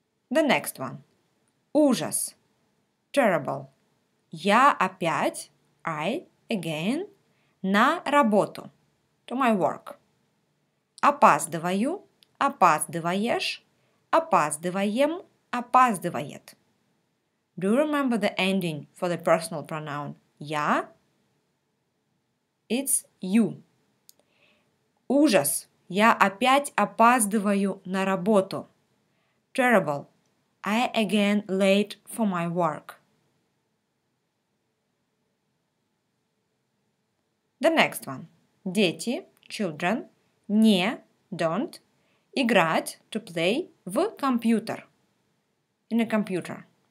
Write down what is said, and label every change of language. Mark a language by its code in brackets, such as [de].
[en] The next one. [ru] Ужас. [en] Terrible. [ru] Я опять, [en] I, again, [ru] на работу. [en] To my work. [ru] Опаздываю, опаздываешь, опаздываем, опаздывает. [en] Do you remember the ending for the personal pronoun я? It's you. [ru] Ужас. Я опять опаздываю на работу. [en] Terrible. I again late for my work. The next one. [ru] Дети, [en] children, [ru] не, [en] don't, [ru] играть, [en] to play, [ru] в компьютер. [en] In a computer.